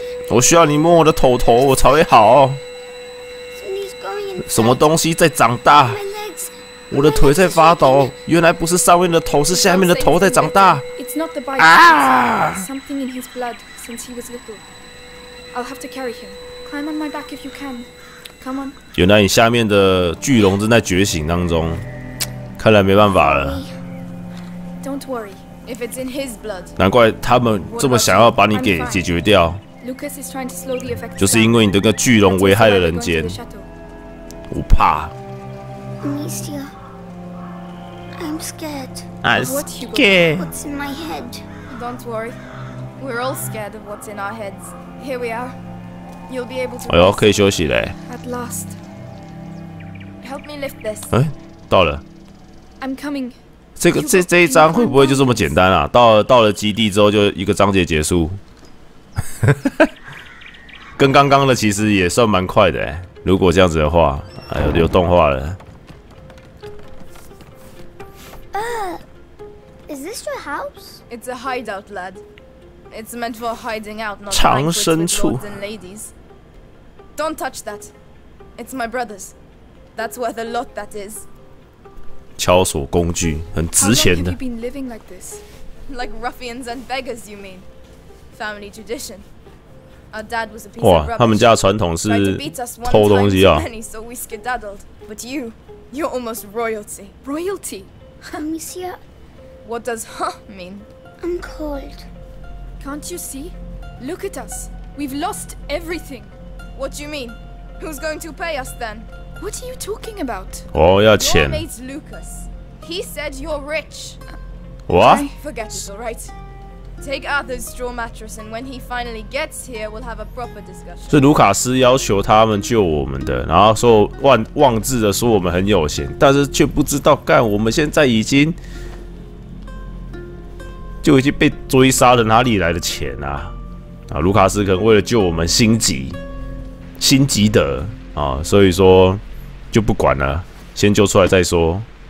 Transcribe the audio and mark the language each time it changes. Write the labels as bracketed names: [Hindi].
[Chinese] 我需要你摸我的头头，我才会好。什么东西在长大？我的腿在发抖。原来不是上面的头，是下面的头在长大。 [English] It's not the bite. It's something in his blood since he was little. I'll have to carry him. Climb on my back if you can. Come on. [Chinese] 原来你下面的巨龙正在觉醒当中，看来没办法了。 [English] Don't worry. If it's in his blood. [Chinese] 难怪他们这么想要把你给解决掉。 [English] Lucas is trying to slow the effects. [Chinese] 就是因为你这个巨龙危害了人间。我怕。 [English] Amicia, I'm scared. I'm scared. What's in my head? Don't worry. We're all scared of what's in our heads. Here we are. You'll be able to [Chinese] 哎呦，可以休息嘞。 [English] At last, help me lift this. [Chinese] 哎，到了。 [English] I'm coming. [Chinese] 这一章会不会就这么简单啊？到了基地之后就一个章节结束。跟刚刚的其实也算蛮快的哎。如果这样子的话，哎呦，有动画了。 [English] Is this your house? It's a hideout, lad. It's meant for hiding out, not banquets with lords and ladies. Don't touch that. It's my brother's. That's worth a lot. That is. [Chinese] 撬锁工具很值钱的。 [English] How long have you been living like this? Like ruffians and beggars, you mean? Family tradition. Our dad was a piece of rubbish. [Chinese] 哇，他们家传统是偷东西啊。 [English] So we skedaddled. But you, you're almost royalty. Royalty, Monsieur. What does "huh" mean? I'm cold. Can't you see? Look at us. We've lost everything. What do you mean? Who's going to pay us then? What are you talking about? [Chinese] Oh, 要钱 [English] Your mate Lucas. He said you're rich. What? Forget it, all right. Take Arthur's straw mattress, and when he finally gets here, we'll have a proper discussion. [Chinese] 是卢卡斯要求他们救我们的，然后说妄自的说我们很有钱，但是却不知道干我们现在已经。就已经被追杀了，哪里来的钱啊？啊，卢卡斯可能为了救我们心急的啊，所以说就不管了，先救出来再说。